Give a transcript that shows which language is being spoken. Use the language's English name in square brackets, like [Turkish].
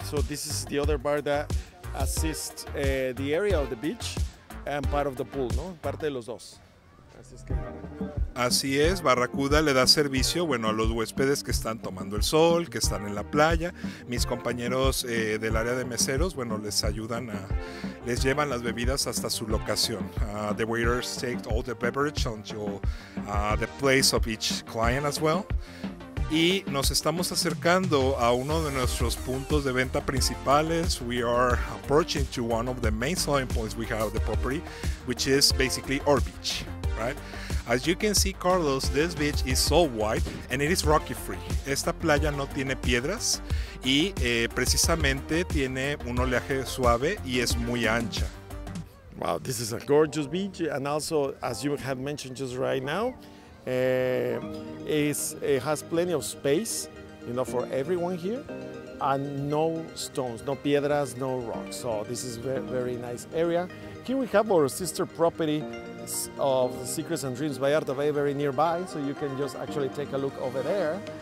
[English] So this is the other bar that assists the area of the beach and part of the pool, no? [Spanish] Parte de los dos. Así es, Barracuda le da servicio, bueno, a los huéspedes que están tomando el sol, que están en la playa. Mis compañeros del área de meseros, bueno, les ayudan a, les llevan las bebidas hasta su locación. [English] The waiters take all the beverage until the place of each client as well. [Spanish] Y nos estamos acercando a uno de nuestros puntos de venta principales. [English] We are approaching to one of the main selling points we have at the property, which is basically our beach. Right. As you can see, Carlos, this beach is so white and it is rocky free. [Spanish] Esta playa no tiene piedras y precisamente tiene un oleaje suave y es muy ancha. [English] Wow, this is a gorgeous beach, and also, as you have mentioned just right now, it has plenty of space, you know, for everyone here, and no stones, [Spanish] no piedras, [English] no rocks. So this is very, very nice area. Here we have our sister property of the Secrets and Dreams by Art of Bay, very nearby, so you can just actually take a look over there.